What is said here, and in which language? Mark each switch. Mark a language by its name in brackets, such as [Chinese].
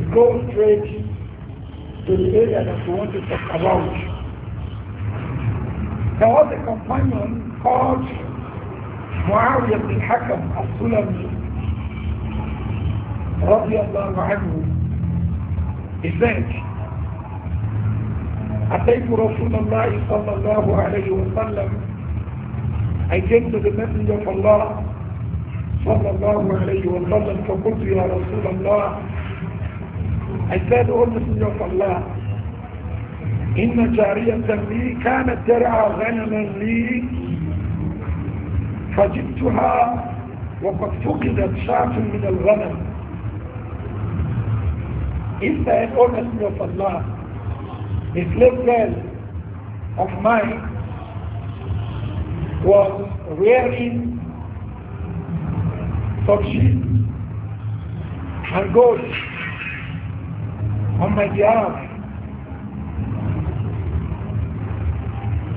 [English] It goes straight to the area that we want to talk about. There was a companion called Muawiyah bin Hakam al-Sulami radiallahu anhu. He said, [Arabic] أتيت رسول الله صلى الله عليه وسلم. [English] I came to the Messenger of Allah [Arabic] صلى الله عليه وسلم فقلت يا رسول الله. [English] I said, O Messenger of Allah, [Arabic] إن جارية لي كانت ترعى غنما لي فجئتها وقد فقدت شاة من الغنم. [English] He said, O Messenger of Allah, a slave girl of mine was rearing some sheep and goats on my behalf.